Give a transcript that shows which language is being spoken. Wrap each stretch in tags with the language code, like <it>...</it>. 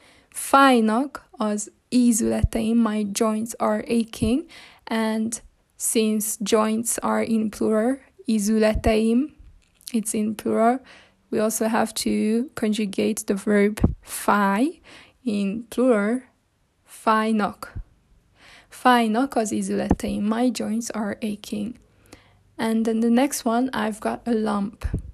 <hu>Fájnak az ízületeim,</hu> <en>my joints are aching. And since joints are in plural, ízületeim, it's in plural, we also have to conjugate the verb fáj in plural.</en> <hu>Fájnak. Fájnak az ízületeim,</hu> <en>my joints are aching. And then the next one, I've got a lump.</en>